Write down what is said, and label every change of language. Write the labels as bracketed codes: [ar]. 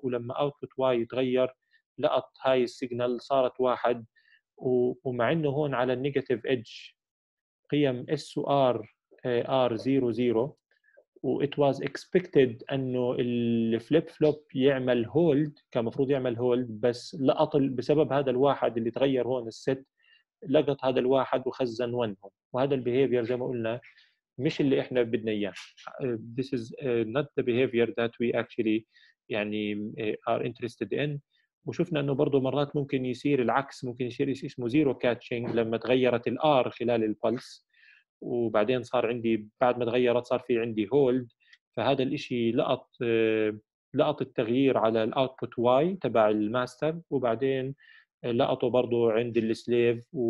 [ar] ولما اوتبوت واي يتغير لقط هاي السيجنال صارت 1، ومع انه هون على النيجاتيف ايدج قيم اس وار ار 0 0 [en] what was expected [ar] انه الفليب فلوب يعمل هولد، كان مفروض يعمل هولد بس لقط بسبب هذا الواحد اللي تغير هون الست، لقط هذا الواحد وخزن ونهم. وهذا البيهافير زي ما قلنا مش اللي احنا بدنا اياه. [en] This is not the behavior that we actually يعني are interested in. [ar] وشفنا انه برضه مرات ممكن يصير العكس، ممكن يصير شيء اسمه زيرو كاتشنج لما تغيرت الار خلال البلس وبعدين صار عندي بعد ما تغيرت صار في عندي hold، فهذا الإشي لقط التغيير على الoutput y تبع الماستر وبعدين لقطه برضو عند السليف.